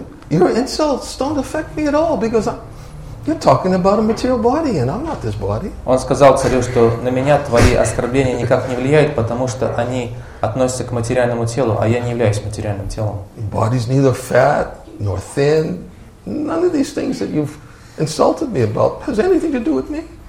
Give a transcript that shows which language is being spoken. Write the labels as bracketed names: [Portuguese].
[English] Your insults don't affect me at all, because you're talking about a material body, and I'm not this body. [Russian] Он сказал царю, что на меня твои оскорбления никак не влияют, потому что они относятся к материальному телу, а я не являюсь материальным телом. [English] Body's neither fat nor thin. None of these things that you've insulted me about has anything to do with me.